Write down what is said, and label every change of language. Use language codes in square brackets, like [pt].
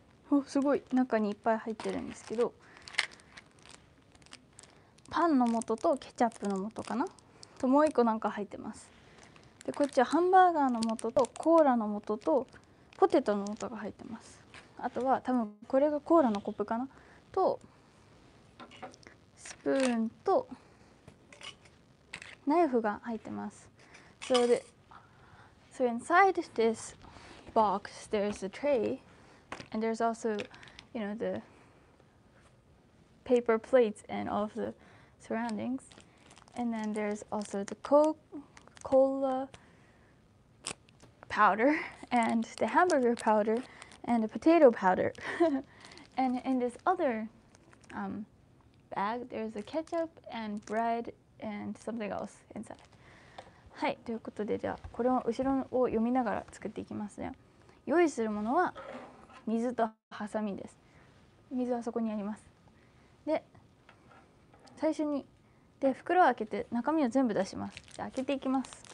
[ja] お、すごい中にいっぱい入ってるんですけど、パンの素とケチャップの素かなと、もう一個なんか入ってます。で、こっちはハンバーガーの素とコーラの素とポテトの素が入ってます。あとは多分これがコーラのコップかな、とスプーンとナイフが入ってます。 [en] So, the, so inside this box there's a tray and there's also, you know, the paper plates and all of the surroundings and then there's also the cola powder and the hamburger powder and the potato powder and in this other bag there's a ketchup and bread and something else inside. [ja] はい、ということで、じゃあこれを後ろを読みながら作っていきますね。用意するものは水とハサミです。水はそこにあります。で、最初にで袋を開けて中身を全部出します。じゃあ開けていきます。